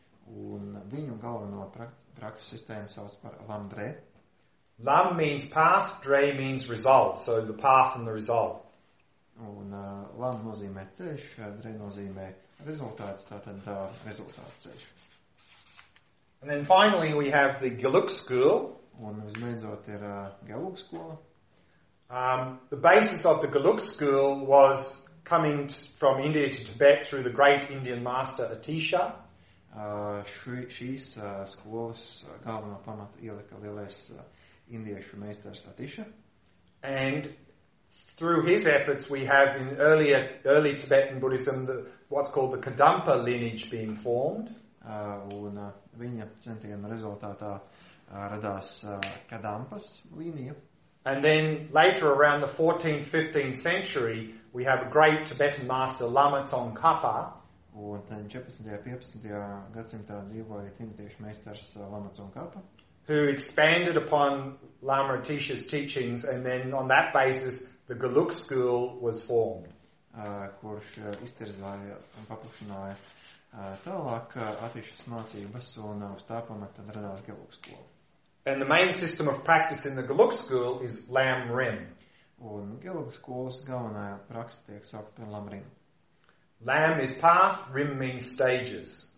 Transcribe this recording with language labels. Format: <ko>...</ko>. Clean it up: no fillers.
<lv>Un viņu galveno praksa sistēmu sauc par Lamdre.</lv> <en>Lam means path, Dre means result, so the path and the result.</en> <lv>Un Lam nozīmē ceš, Dre nozīmē rezultāts, tātad rezultāts ceš.</lv> <en>And then finally we have the Geluk school.</en> <lv>Un visbeidzot ir Geluk skola.</lv> <en>The basis of the Geluk school was coming from India to Tibet through the great Indian master Atisha.</en> <lv>Šīs skolas galveno pamatu ielika lielais indiešu meistars Atisha.</lv> <en>And through his efforts we have in early Tibetan Buddhism what's called the Kadampa lineage being formed.</en> <lv>Un viņa centiena rezultātā radās Kadampas līnija.</lv> <en>And then later around the 14th, 15th century we have a great Tibetan master Lama Tsongkhapa.</en> <lv>Un 14. 15. Gadsimtā dzīvoja tibetiešu meistars Lama Tsongkhapa.</lv> <en>Who expanded upon Lama Atisha's teachings and then on that basis the Geluk school was formed.</en> <lv>Kurš iztirzāja un paplašināja tālāk Atišas mācības un uz tā pamata tad radās Geluk skola.</lv> <en>And the main system of practice in the Geluk school is Lam Rim.</en> <lv>Un Geluk skolas galvenā praksa tiek saukta par Lam Rim.</lv> <en>Lam is path, Rim means stages.</en>